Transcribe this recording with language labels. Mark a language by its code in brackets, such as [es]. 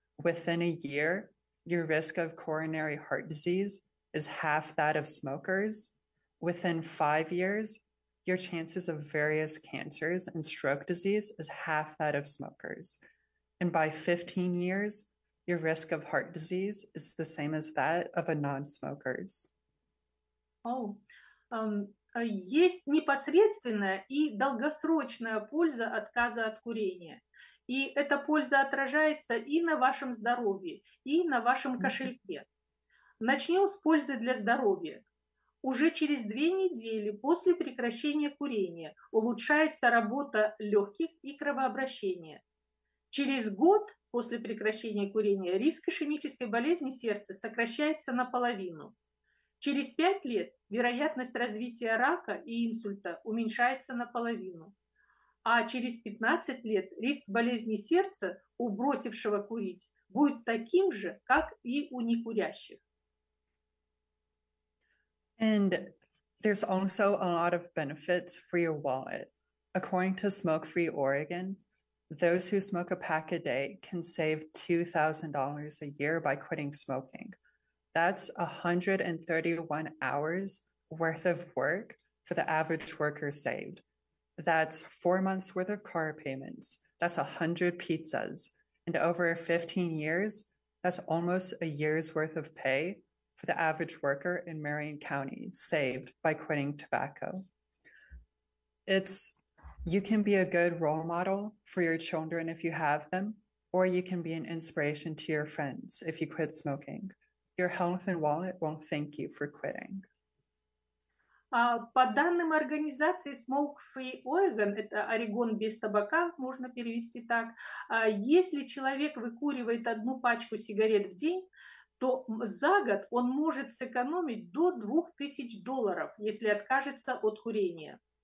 [en] Within a year, your risk of coronary heart disease is half that of smokers. Within 5 years, your chances of various cancers and stroke disease is half that of smokers. And by 15 years, your risk of heart disease is the same as that of a non-smokers. [ru] Oh, есть непосредственная и долгосрочная польза отказа от курения. И эта польза отражается и на вашем здоровье, и на вашем кошельке. Начнем с пользы для здоровья. Уже через 2 недели после прекращения курения улучшается работа легких и кровообращения. Через год после прекращения курения риск ишемической болезни сердца сокращается наполовину. Через 5 лет вероятность развития рака и инсульта уменьшается наполовину. А через 15 лет риск болезни сердца у бросившего курить будет таким же, как и у некурящих. [en] And there's also a lot of benefits for your wallet. According to Smoke Free Oregon, those who smoke a pack a day can save $2,000 a year by quitting smoking. That's 131 hours worth of work for the average worker saved. That's 4 months worth of car payments. That's 100 pizzas. And over 15 years, that's almost a year's worth of pay for the average worker in Marion County saved by quitting tobacco. You can be a good role model for your children if you have them, or you can be an inspiration to your friends if you quit smoking. Your health and wallet won't thank you for quitting. [ru] По данным организации Smoke Free Oregon, это Орегон без табака, можно перевести так, если человек выкуривает одну пачку сигарет в день, то за год он может сэкономить до $2000, если откажется от курения.